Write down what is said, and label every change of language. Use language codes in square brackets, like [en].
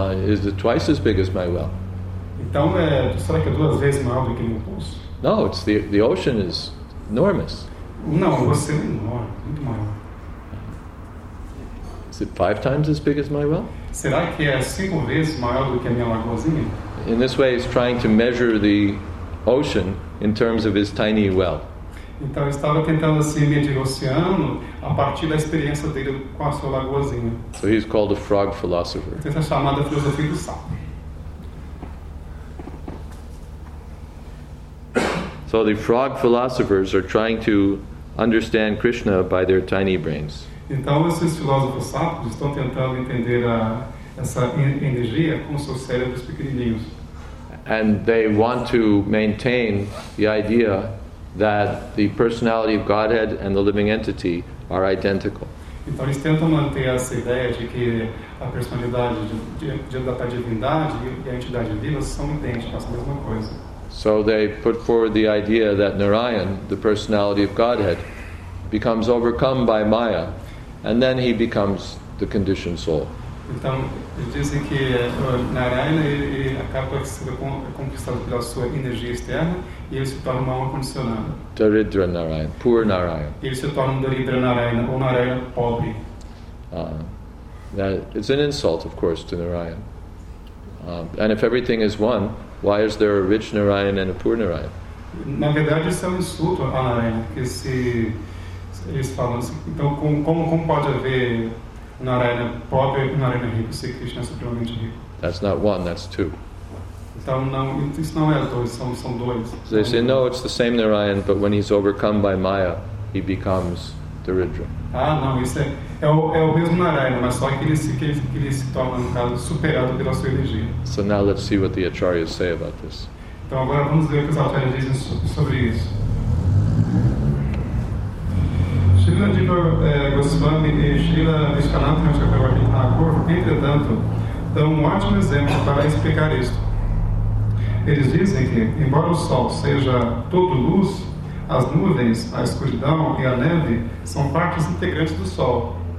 [en] Is it twice as big as my well? [pt] Então, será que é duas vezes maior do que meu poço? [en] No, it's the ocean is enormous. [pt] Não, o oceano é enorme, muito maior. [en] Is it five times as big as my well? [pt] Será que é cinco vezes maior do que a minha lagoazinha? [en] In this way, he's trying to measure the ocean in terms of his tiny well. [pt] Então, estava tentando se medir o oceano a partir da experiência dele com a sua lagoazinha. [en] So he's called a frog philosopher. [pt] Então, é chamado a filosofia do sapo. [en] So the frog philosophers are trying to understand Krishna by their tiny brains. [pt] Então esses filósofos sapos estão tentando entender essa energia com seus cérebros pequenininhos. [en] And they want to maintain the idea that the personality of Godhead and the living entity are identical. [pt] Então eles tentam manter essa ideia de que a personalidade da divindade e a entidade viva são idênticas, a mesma coisa. [en] So they put forward the idea that Narayan, the personality of Godhead, becomes overcome by Maya, and then he becomes the conditioned soul. [pt] Então, eles dizem que Narayan acaba sendo conquistado pela sua energia externa e ele se torna uma alma condicionada. [en] Daridra Narayan, poor Narayan. [pt] Ele se torna Daridra Narayan, ou Narayan pobre. [en] That it's an insult, of course, to Narayan. And if everything is one, why is there a rich Narayan and a poor Narayan? [pt] Na verdade, isso é um insulto a Narayan, porque se eles falam assim, então como pode haver Narayan pobre e Narayan rico, se Krishna é supremamente rico? [en] That's not one, that's two. [pt] Então não, isso não é dois, são dois. [en] So they say, no, it's the same Narayan, but when he's overcome by Maya, he becomes Daridra. [pt] Ah, não, isso é o mesmo Narayana, mas só que ele se torna, no caso, superado pela sua energia. [en] So now let's see what the acharyas say about this. [pt] Então agora vamos ver o que os acharyas dizem sobre isso. Srila Dipa Goswami e Srila Vishwanatha Chakravarti Thakur, entretanto, dão um ótimo exemplo para explicar isto. Eles dizem que, embora o sol seja todo luz, as nuvens, a escuridão e a neve são partes integrantes do sol.